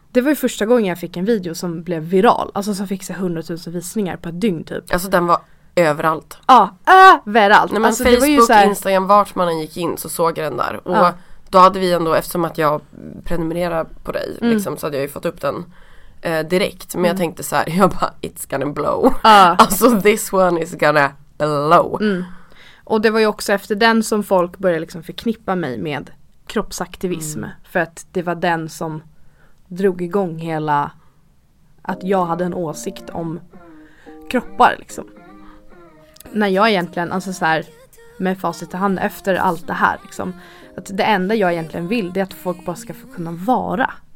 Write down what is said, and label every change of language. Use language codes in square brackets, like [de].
[sv] Det var ju första gången jag fick en video som blev viral. Alltså som fick 100 000 visningar på ett dygn typ. Alltså den var överallt? Ja, överallt. Nej, men alltså, Facebook, det var ju så här... Instagram, vart man gick in så såg jag den där. Och då hade vi ändå, eftersom att jag prenumererar på dig, liksom, så hade jag ju fått upp den direkt. Men jag tänkte så här, jag bara, [en] it's gonna blow. [sv] Alltså [en] this one is gonna blow. [sv] Mm. Och det var ju också efter den som folk började liksom förknippa mig med kroppsaktivism. Mm. För att det var den som drog igång hela, att jag hade en åsikt om kroppar liksom. När jag egentligen, alltså så här, med facit i hand efter allt det här liksom, att det enda jag egentligen vill är att folk bara ska få kunna vara.